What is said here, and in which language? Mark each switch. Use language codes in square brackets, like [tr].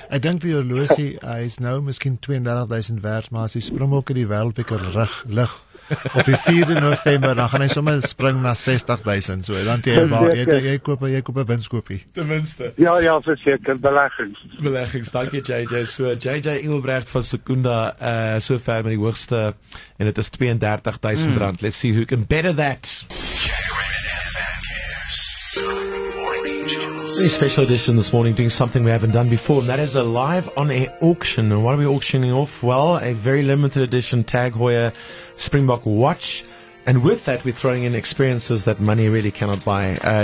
[af] Ek dink vir jou losie, hy is nou miskien 32,000 werd, maar as hy sprong ook in die wereldbeker lig, op die 4 November, dan gaan hy sommer spring na 60,000, so, dan die hemel, jy koop een winskoopie. Tenminste. Ja, verseker, beleggings, dankie JJ. So, JJ Engelbrecht van Secunda, so ver met die hoogste, en het is 32,000 rand. [en] Let's see who can better that. Very special edition this morning, doing something we haven't done before, and that is a live on air auction. And what are we auctioning off? Well, a very limited edition Tag Heuer Springbok watch, and with that we're throwing in experiences that money really cannot buy.